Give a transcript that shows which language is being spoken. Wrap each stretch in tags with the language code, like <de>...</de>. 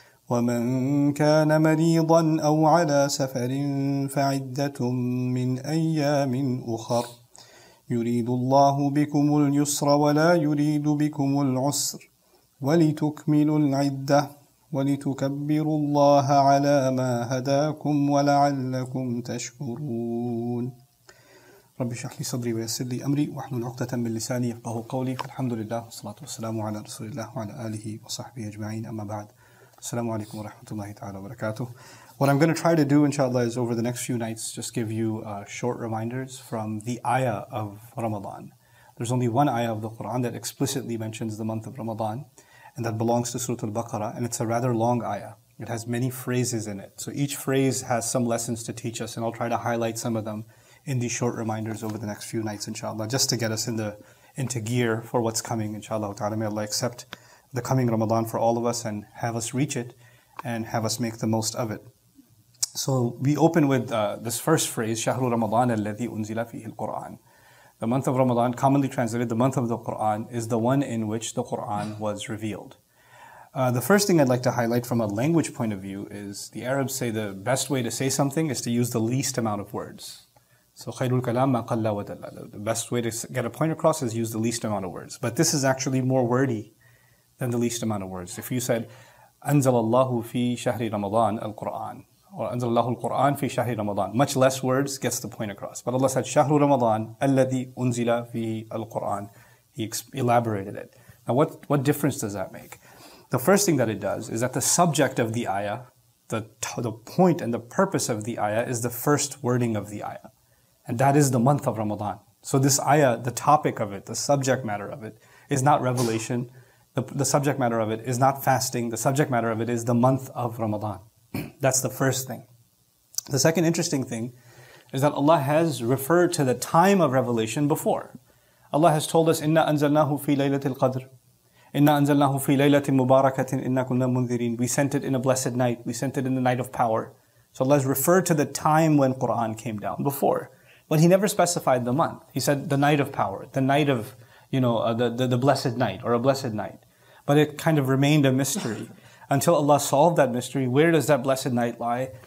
<ar>ومن كان مريضا أو على سفر فعدة من أيام أخر يريد الله بكم اليسر ولا يريد بكم العسر ولتكملوا العدة ولتكبروا الله على ما هداكم ولعلكم تشكرون رب اشرح لي صدري ويسر لي امري واحلل عقدة من لساني يفقهوا قولي الحمد لله والصلاة والسلام على رسول الله وعلى اله وصحبه اجمعين اما بعد السلام عليكم ورحمة الله تعالى وبركاته.</ar> <en>What I'm going to try to do, inshallah, is over the next few nights, just give you short reminders from the ayah of Ramadan. There's only one ayah of the Quran that explicitly mentions the month of Ramadan, and that belongs to Surah Al-Baqarah, and it's a rather long ayah. It has many phrases in it. So each phrase has some lessons to teach us, and I'll try to highlight some of them in these short reminders over the next few nights, inshallah, just to get us into gear for what's coming, inshallah. Ta'ala, may Allah accept the coming Ramadan for all of us and have us reach it and have us make the most of it. So we open with this first phrase,</en> <ar>شهر رمضان الذي أنزل فيه القرآن.</ar> <en>The month of Ramadan, commonly translated, the month of the Qur'an, is the one in which the Qur'an was revealed. The first thing I'd like to highlight from a language point of view is the Arabs say the best way to say something is to use the least amount of words.</en> <ar>So خير الكلام ما قل ودل.</ar> <en>The best way to get a point across is use the least amount of words. But this is actually more wordy than the least amount of words. If you said,</en> <ar>أنزل الله في شهر رمضان القرآن, or أنزل الله القرآن في شهر رمضان,</ar> <en>much less words gets the point across. But Allah said,</en> <ar>شهر رمضان الذي أنزل في القرآن.</ar> <en>He elaborated it. Now what difference does that make? The first thing that it does is that the subject of the ayah, the point and the purpose of the ayah is the first wording of the ayah. And that is the month of Ramadan. So this ayah, the topic of it, the subject matter of it, is not revelation. The subject matter of it is not fasting. The subject matter of it is the month of Ramadan. That's the first thing. The second interesting thing is that Allah has referred to the time of revelation before. Allah has told us,</en> <ar>إِنَّا أَنزَلْنَاهُ فِي لَيْلَةِ الْقَدْرِ إِنَّا أَنزَلْنَاهُ فِي لَيْلَةٍ مُبَارَكَةٍ إِنَّا كُنَّا مُنذِرِينَ.</ar> <en>We sent it in a blessed night. We sent it in the night of power. So Allah has referred to the time when Quran came down before. But He never specified the month. He said the night of power, the night of, you know, the blessed night, or a blessed night. But it kind of remained a mystery. Until Allah solved that mystery, where does that blessed night lie?</en>